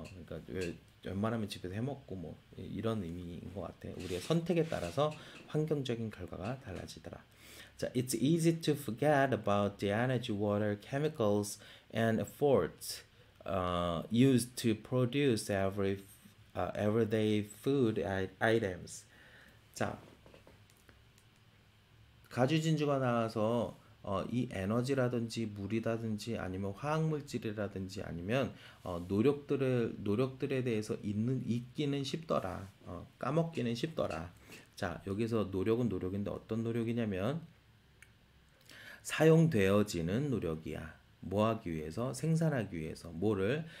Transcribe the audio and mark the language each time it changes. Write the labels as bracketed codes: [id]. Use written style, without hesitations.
[ko] 그러니까 웬만하면 집에서 해 먹고 뭐 이런 의미인 것 같아. 우리의 선택에 따라서 환경적인 결과가 달라지더라. [en] 자, it's easy to forget about the energy, water, chemicals, and efforts used to produce everyday food items. [ko] 자, 가지진주가 나와서 이 에너지라든지 물이라든지 아니면 화학물질이라든지 아니면 노력들에 대해서 잊기는 쉽더라. 까먹기는 쉽더라. 자, 여기서 노력은 노력인데 어떤 노력이냐면 사용되어지는 노력이야. 뭐 하기 위해서? 생산하기 위해서. 뭐를?